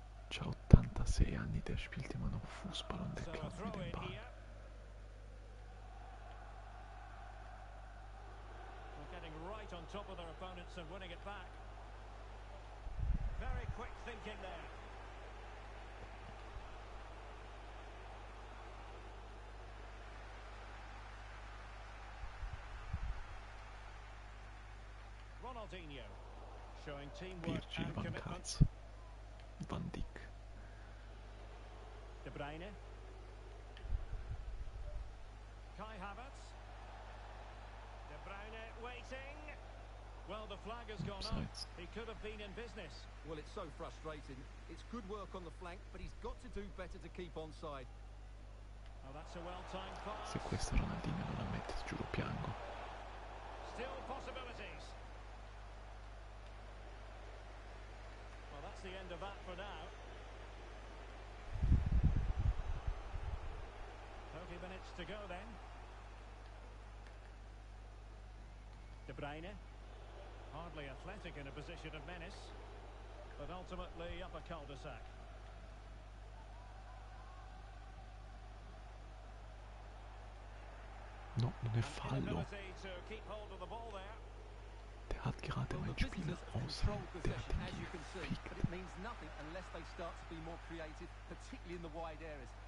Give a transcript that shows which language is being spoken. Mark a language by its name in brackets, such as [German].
[Italian] C'ha 86 anni, [German] der spielt immer noch Fußball und der klappt mit dem Ball. [English] Right on top of their opponents and winning it back. Very quick thinking there. Ronaldinho showing teamwork and commitment. Van Dijk. De Bruyne. Kai Havertz. Waiting. Well, the flag has gone up. He could have been in business. Well, it's so frustrating. It's good work on the flank, but he's got to do better to keep onside. Oh, that's a well-timed pass. [Italian] Se questo Ronaldinho non la mette, giuro piango. [English] Still possibilities. Well, that's the end of that for now. Thirty minutes to go then. De Bruyne, hardly athletic in a position of menace, but ultimately up a cul-de-sac. Not in a fallo. The ability to keep hold of the ball there. [German] Der hat gerade mein Spieler ausgepickt. [English] It means nothing unless they start to be more creative, particularly in the wide areas.